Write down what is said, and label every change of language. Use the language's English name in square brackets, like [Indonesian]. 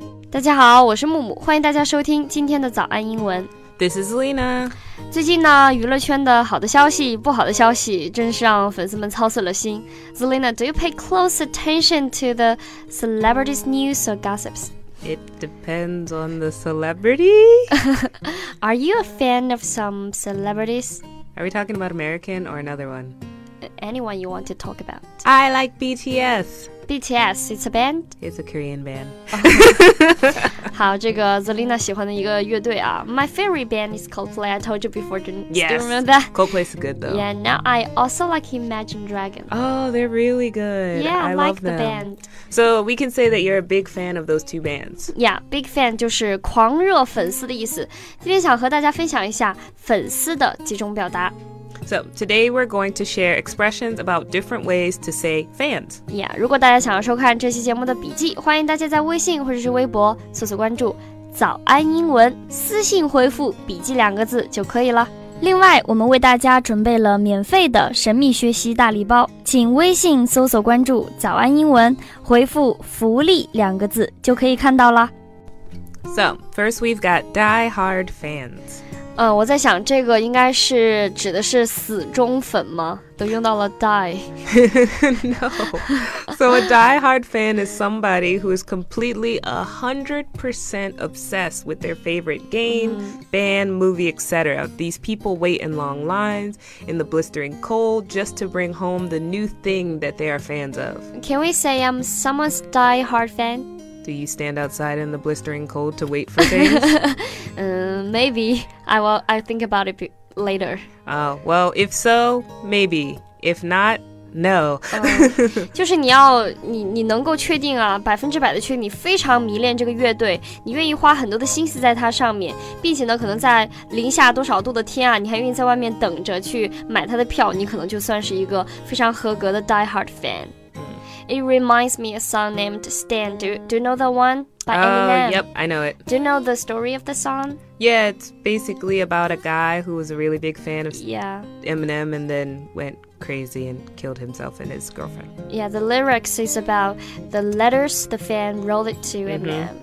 [Chinese] 大家好，我是木木，欢迎大家收听今天的早安英文。 [English] This is Lena。 [Chinese] 最近呢，娱乐圈的好的消息、不好的消息，真是让粉丝们操碎了心。 [English] Zelina, do you pay close attention to the celebrities' news or gossips? It depends on the celebrity. Are you a fan of some celebrities? Are we talking about American or another one? Anyone you want to talk about. I like BTS. BTS, it's a band? It's a Korean band. [Chinese] 好，这个 Zelina 喜欢的一个乐队啊。 [English] My favorite band is Coldplay. I told you before, do you remember that? Coldplay's good though. Yeah, now I also like Imagine Dragons. Oh, they're really good. Yeah, I like the band. So we can say that you're a big fan of those two bands. Yeah, big fan [Chinese] 就是狂热粉丝的意思。今天想和大家分享一下粉丝的几种表达。 [English] So, today we're going to share expressions about different ways to say fans. [Chinese] Yeah, 如果大家想要收看这期节目的笔记，欢迎大家在微信或者是微博搜索关注早安英文，私信回复笔记两个字就可以了。另外，我们为大家准备了免费的神秘学习大礼包，请微信搜索关注早安英文，回复福利两个字就可以看到了。 [English] So, first we've got die hard fans. [Chinese] 我在想这个应该是指的是死忠粉吗？都用到了 die. [English] No. So a diehard fan is somebody who is completely 100% obsessed with their favorite game, band, movie, etc. These people wait in long lines, in the blistering cold, just to bring home the new thing that they are fans of. Can we say I'm someone's diehard fan? Do you stand outside in the blistering cold to wait for things? maybe. I'll think about it later. Well, if so, maybe. If not, no. [Chinese] 就是你能够确定啊，百分之百的确定你非常迷恋这个乐队，你愿意花很多的心思在它上面，并且呢，可能在零下多少度的天啊，你还愿意在外面等着去买它的票，你可能就算是一个非常合格的 diehard fan. [English] It reminds me of a song named Stan. Do you know the one by Eminem? Oh, yep, I know it. Do you know the story of the song? Yeah, it's basically about a guy who was a really big fan of Eminem and then went crazy and killed himself and his girlfriend. Yeah, the lyrics is about the letters the fan wrote it to Eminem.